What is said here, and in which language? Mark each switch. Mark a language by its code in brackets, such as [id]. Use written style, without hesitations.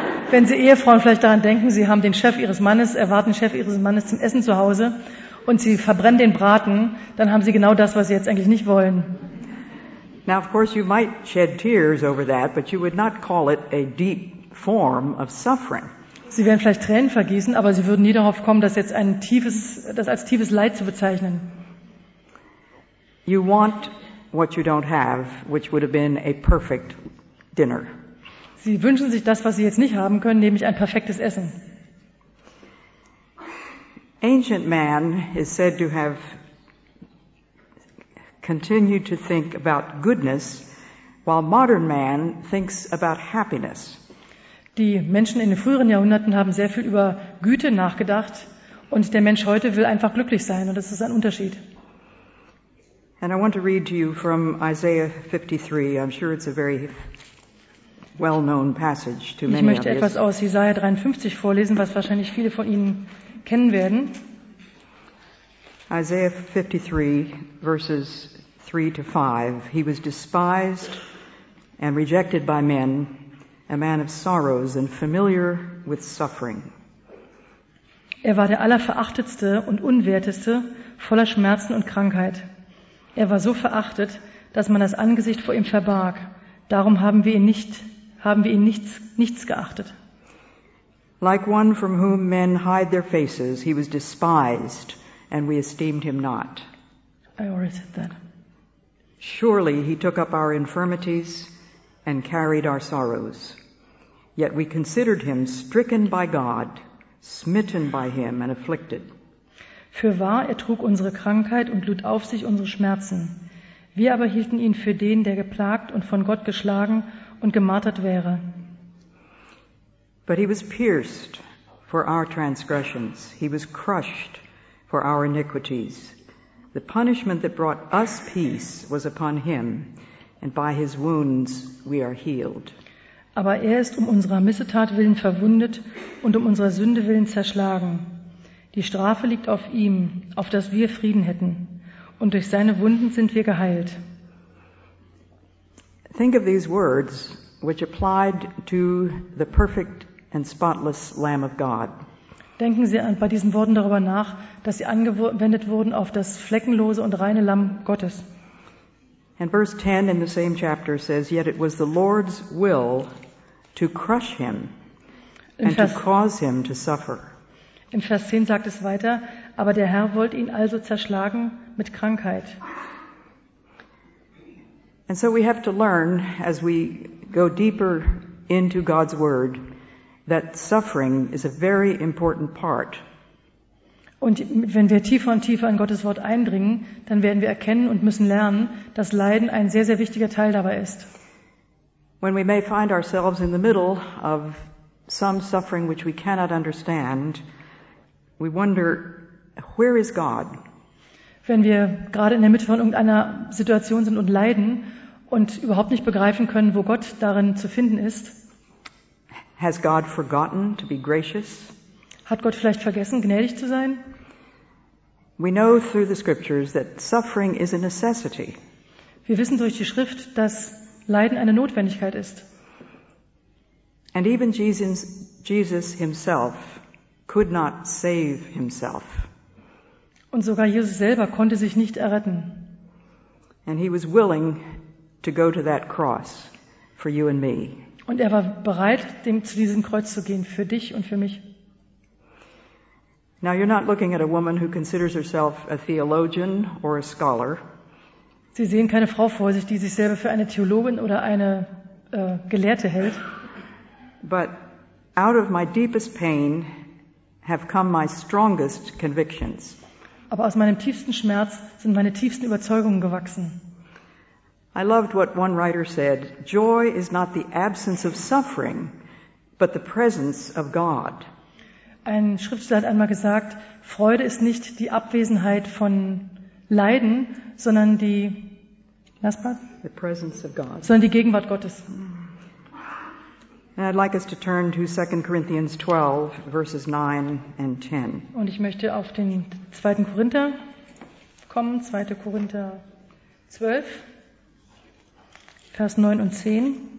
[de] Wenn Sie Ehefrauen vielleicht daran denken, Sie haben den Chef Ihres Mannes, erwarten Chef Ihres Mannes zum Essen zu Hause und Sie verbrennen den Braten, dann haben Sie genau das, was Sie jetzt eigentlich nicht wollen. [en] Now of course you might shed tears over that, but you would not call it a deep form of suffering. [de] Sie werden vielleicht Tränen vergießen, aber Sie würden nie darauf kommen, das jetzt ein tiefes, das als tiefes Leid zu bezeichnen. [en] You want what you don't have, which would have been a perfect dinner. [de] Sie wünschen sich das, was Sie jetzt nicht haben können, nämlich ein perfektes Essen. [en] Ancient man is said to have continued to think about goodness, while modern man thinks about happiness. [de] Die Menschen in den früheren Jahrhunderten haben sehr viel über Güte nachgedacht und der Mensch heute will einfach glücklich sein und das ist ein Unterschied. [en] And I want to read to you from Isaiah 53. I'm sure it's a very well-known passage to many of you. [de] Ich möchte etwas aus Jesaja 53 vorlesen, was wahrscheinlich viele von Ihnen kennen werden. [en] Isaiah 53, verses 3-5. He was despised and rejected by men, a man of sorrows and familiar with suffering. [de] Er war der Allerverachtetste und Unwerteste, voller Schmerzen und Krankheit. Er war so verachtet, dass man das Angesicht vor ihm verbarg. Darum haben wir ihn nichts geachtet. [en] Like one from whom men hide their faces, he was despised, and we esteemed him not. I already said that. Surely he took up our infirmities and carried our sorrows. Yet we considered him stricken by God, smitten by him and afflicted. [de] Für wahr, er trug unsere Krankheit und lud auf sich unsere Schmerzen. Wir aber hielten ihn für den, der geplagt und von Gott geschlagen und gemartert wäre. [en] But he was pierced for our transgressions. He was crushed for our iniquities. The punishment that brought us peace was upon him, and by his wounds we are healed. [de] Aber er ist um unserer Missetat willen verwundet und um unserer Sünde willen zerschlagen. Die Strafe liegt auf ihm, auf dass wir Frieden hätten. Und durch seine Wunden sind wir geheilt. [en] Think of these words, which applied to the perfect and spotless Lamb of God. [de] Denken Sie bei diesen Worten darüber nach, dass sie angewendet wurden auf das fleckenlose und reine Lamm Gottes. [en] And verse 10 in the same chapter says, yet it was the Lord's will to crush him and to cause him to suffer. [de] In Vers 10 sagt es weiter, aber der Herr wollte ihn also zerschlagen mit Krankheit. [en] And so we have to learn as we go deeper into God's word that suffering is a very important part. [de] Und wenn wir tiefer und tiefer in Gottes Wort eindringen, dann werden wir erkennen und müssen lernen, dass Leiden ein sehr, sehr wichtiger Teil dabei ist. [en] When we may find ourselves in the middle of some suffering which we cannot understand, we wonder, where is God? [de] Wenn wir gerade in der Mitte von irgendeiner Situation sind und leiden und überhaupt nicht begreifen können, wo Gott darin zu finden ist, [en] has God forgotten to be gracious? [de] Hat Gott vielleicht vergessen, gnädig zu sein? [en] We know through the scriptures that suffering is a necessity. [de] Wir wissen durch die Schrift, dass Leiden eine Notwendigkeit ist. [en] And even Jesus himself could not save himself. [de] Und sogar Jesus selber konnte sich nicht erretten. [en] And he was willing to go to that cross for you and me. [de] Und er war bereit, zu diesem Kreuz zu gehen, für dich und für mich. [en] Now you're not looking at a woman who considers herself a theologian or a scholar. [de] Sie sehen keine Frau vor sich, die sich selber für eine Theologin oder eine Gelehrte hält. [en] But out of my deepest pain have come my strongest convictions. [de] Aber aus meinem tiefsten Schmerz sind meine tiefsten Überzeugungen gewachsen. [en] I loved what one writer said, joy is not the absence of suffering, but the presence of God. [de] Ein Schriftsteller hat einmal gesagt, Freude ist nicht die Abwesenheit von Leiden, sondern die [en] the presence of God. [de] Sondern die Gegenwart Gottes. [en] And I'd like us to turn to 2 Corinthians 12, verses 9 and 10. [de] Und ich möchte auf den 2. Korinther kommen, 2. Korinther 12, Vers 9 und 10.